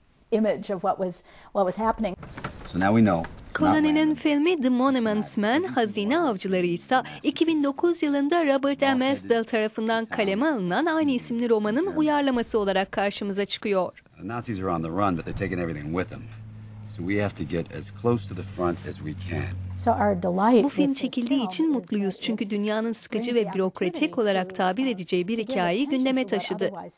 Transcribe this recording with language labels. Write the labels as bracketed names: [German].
[English] Image of what was happening. So now we know. [Turkish] Clooney'nin filmi The Monuments Men, Hazine Avcıları ise 2009 yılında Robert M. Esdell tarafından kaleme alınan aynı isimli romanın uyarlaması olarak karşımıza çıkıyor. [English] The Nazis are on the run, but they're taking everything with them. So we have to get as close to the front as we can. So our delight. [Turkish] Bu film çekildiği için mutluyuz çünkü dünyanın sıkıcı ve bürokratik olarak tabir edeceği bir hikayeyi gündeme taşıdı.